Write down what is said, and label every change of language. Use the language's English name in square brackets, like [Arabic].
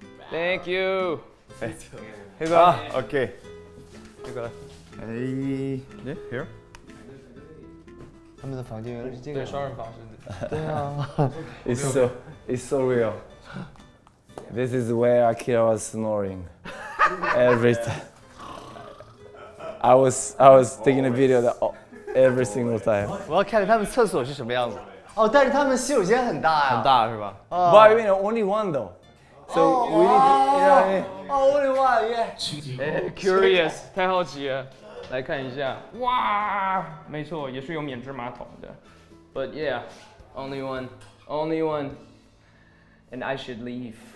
[English] Thank you。 哎， [Chinese] 黑哥，OK，黑哥。哎，哎 [English] ，here。 [Chinese] 他们的房间原来是这个，对，双人房是的。对啊 [English] ，It's so real。 This is where Akira was snoring every time。 I was taking a video that every single time. [Chinese] 我要看他们厕所是什么样子。哦，但是他们洗手间很大呀。很大是吧 [English] ？But you know, only one though. So we need. Only one, yeah. [Chinese] Curious， 太好奇了，来看一下。哇，没错，也是有免治马桶的。 [English] But yeah, only one, and I should leave.